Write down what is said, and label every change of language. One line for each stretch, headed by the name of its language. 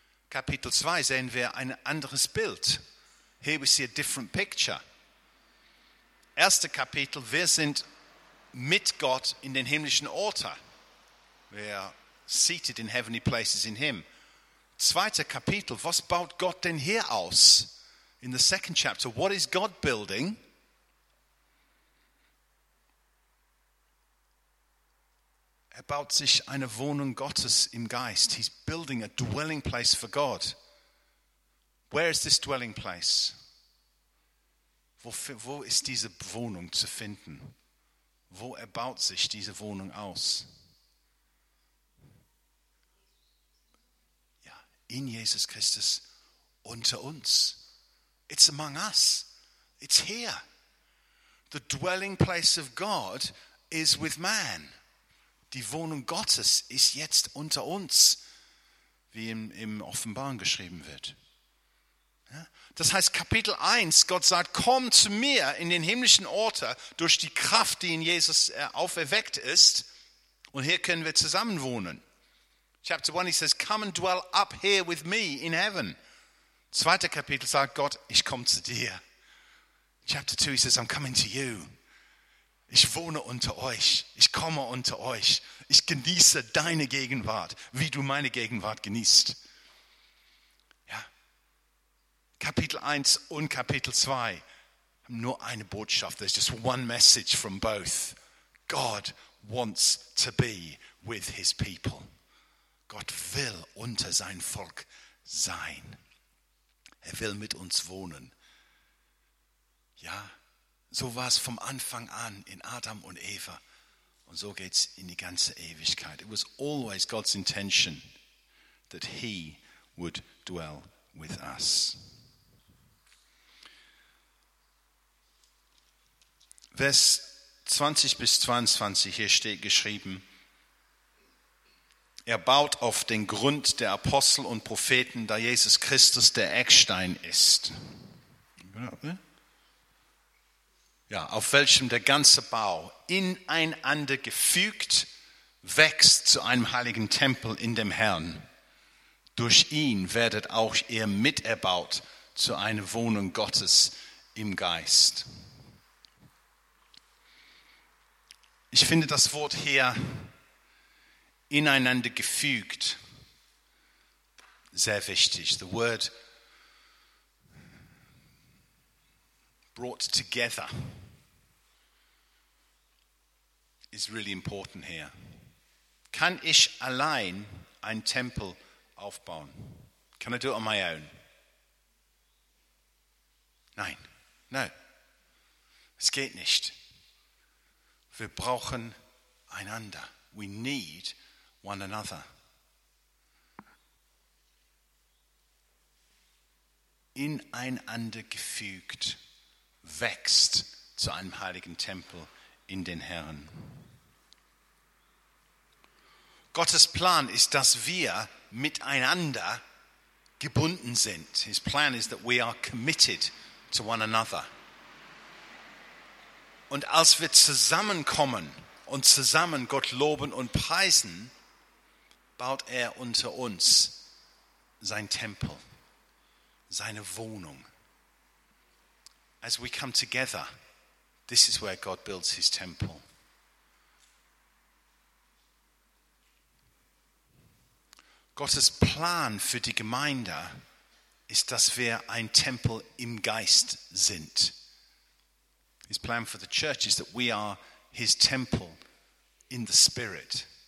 German: Kapitel 2 sehen wir ein anderes Bild.
English: Here we see a different picture.
German: Erster Kapitel, wir sind mit Gott in den himmlischen Orte.
English: We are seated in heavenly places in Him.
German: Zweiter Kapitel, was baut Gott denn hier aus?
English: In the second chapter, what is God building?
German: Er baut sich eine Wohnung Gottes im Geist.
English: He's building a dwelling place for God. Where is this dwelling place?
German: Wo ist diese Wohnung zu finden? Wo erbaut sich diese Wohnung aus? Ja, in Jesus Christus unter uns.
English: It's among us. It's here. The dwelling place of God is with man.
German: Die Wohnung Gottes ist jetzt unter uns, wie im Offenbaren geschrieben wird. Ja? Das heißt, Kapitel 1, Gott sagt, komm zu mir in den himmlischen Orte durch die Kraft, die in Jesus auferweckt ist, und hier können wir zusammen wohnen.
English: Chapter 1, he says, come and dwell up here with me in heaven.
German: Zweiter Kapitel sagt Gott, ich komme zu dir.
English: Chapter 2, he says, I'm coming to you.
German: Ich wohne unter euch, ich komme unter euch, ich genieße deine Gegenwart, wie du meine Gegenwart genießt. Ja. Kapitel 1 und Kapitel 2 haben nur eine Botschaft,
English: there's just one message from both. God wants to be with his people.
German: Gott will unter sein Volk sein. Er will mit uns wohnen. Ja. So war es vom Anfang an in Adam und Eva. Und so geht es in die ganze Ewigkeit.
English: It was always God's intention that he would dwell with us.
German: Vers 20 bis 22, hier steht geschrieben, er baut auf den Grund der Apostel und Propheten, da Jesus Christus der Eckstein ist. Ja, auf welchem der ganze Bau ineinander gefügt wächst zu einem heiligen Tempel in dem Herrn. Durch ihn werdet auch ihr miterbaut zu einer Wohnung Gottes im Geist. Ich finde das Wort hier ineinander gefügt sehr wichtig.
English: The word brought together is really important here.
German: Kann ich allein ein Tempel aufbauen?
English: Can I do it on my own?
German: Nein. No. Es geht nicht. Wir brauchen einander.
English: We need one another.
German: Ineinander gefügt, wächst zu einem heiligen Tempel in den Herrn. Gottes Plan ist, dass wir miteinander gebunden sind.
English: His plan is that we are committed to one another.
German: Und als wir zusammenkommen und zusammen Gott loben und preisen, baut er unter uns sein Tempel, seine Wohnung.
English: As we come together, this is where God builds his temple.
German: Gottes Plan für die Gemeinde ist, dass wir ein Tempel im Geist sind.
English: His plan for the church is that we are his temple in the spirit.